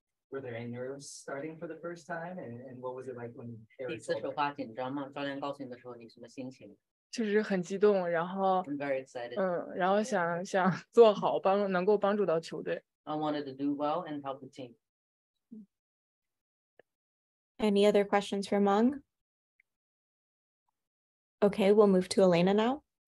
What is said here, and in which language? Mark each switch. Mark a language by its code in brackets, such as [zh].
[en] were there any nerves starting for the first time? And what was it like when Harry told her? [zh] 第四次说话题, 你知道吗?教练告诉你的时候你什么心情? 就是很激动, 然后, [en] I'm very excited. [zh] 然后想做好, 能够帮助到球队。 [en] I wanted to do well and help the team. Any other questions for Meng? Okay, we'll move to Elena now.